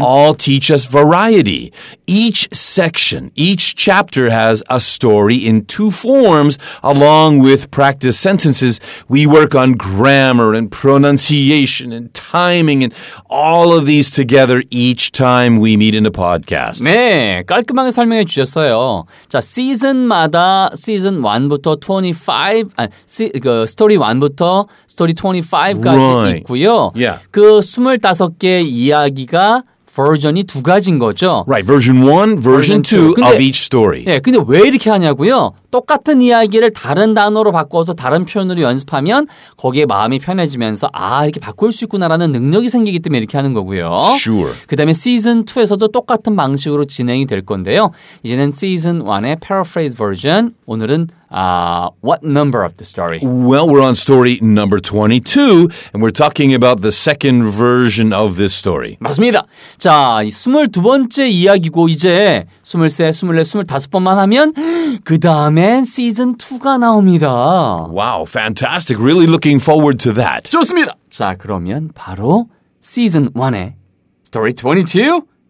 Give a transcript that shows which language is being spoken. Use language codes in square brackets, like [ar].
[en] all teach us variety. Each section, each chapter has a story in two forms along with practice sentences. We work on grammar and pronunciation and timing and all of these together each time we meet in a podcast. [ko] 네, 깔끔하게 설명해 주셨어요. 자, 시즌마다 시즌 1부터 스토리 1부터 스토리 25까지 [en] right. [ko] 있고요. [en] Yeah. [ko] 그 25개 이야기가 버전이 두 가지인 거죠. [en] Right, version 1, version 2 of each story. [ko] 예, 근데 왜 이렇게 하냐고요? 똑같은 이야기를 다른 단어로 바꿔서 다른 표현으로 연습하면 거기에 마음이 편해지면서 아, 이렇게 바꿀 수 있구나라는 능력이 생기기 때문에 이렇게 하는 거고요. [en] Sure. [ko] 그다음에 season 2에서도 똑같은 방식으로 진행이 될 건데요. 이제는 season 1의 paraphrase version. 오늘은 [en] what number of the story? Well, we're on story number 22 and we're talking about the second version of this story. [ko] 맞습니다. 자, 22번째 이야기고 이제 23, 24, 25번만 하면 그다음 다음엔 시즌 2가 나옵니다. [en] Wow, fantastic. Really looking forward to that. [ko] 좋습니다. 자, 그러면 바로 시즌 1의 스토리 22.